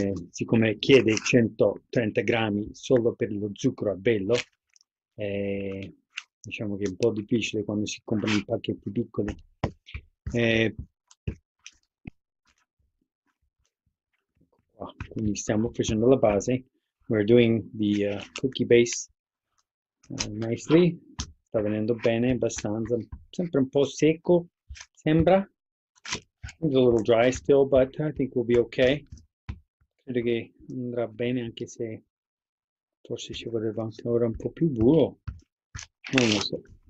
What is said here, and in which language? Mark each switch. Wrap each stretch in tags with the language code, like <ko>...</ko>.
<it>Siccome chiede 130 grammi solo per lo zucchero a velo, diciamo che è un po' difficile quando si comprano i pacchetti piccoli. Qua. Quindi stiamo facendo la base.</it> <en>We're doing the cookie base nicely.</en> <it>Sta venendo bene, abbastanza. Sempre un po' secco, sembra.</it> <en>little dry still, but I think we'll be okay.</en> <it>Credo che andrà bene anche se forse ci voleva ancora un po' più buio. Non lo so.</it>